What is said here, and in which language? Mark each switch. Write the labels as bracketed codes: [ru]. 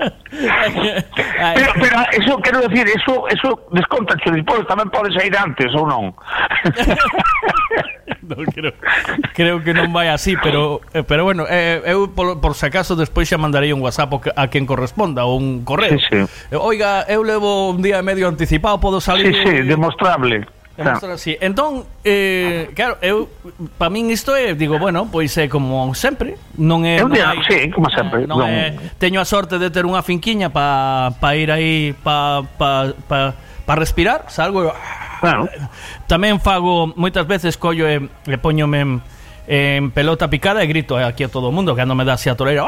[es] pero eso quiero decir, eso desconta que después también puedes ir antes o no. No creo que no vaya así, pero bueno, eu por si acaso después ya mandaría un WhatsApp a quien corresponda o un correo. Sí, sí. Oiga, [gl] eu levo un [es] día y medio anticipado, puedo salir. Sí, sí, demostrable. Así. [gl] Entón, claro, eu pa min isto é, digo, bueno, pois é como sempre, non é un día, hai, sí, como sempre. Non é, teño a sorte de ter unha finquiña pa ir aí pa respirar, salgo. Bueno. Tamén fago moitas veces collo e le poñome en pelota picada e grito aquí a todo o mundo, que non me dá así a toleira.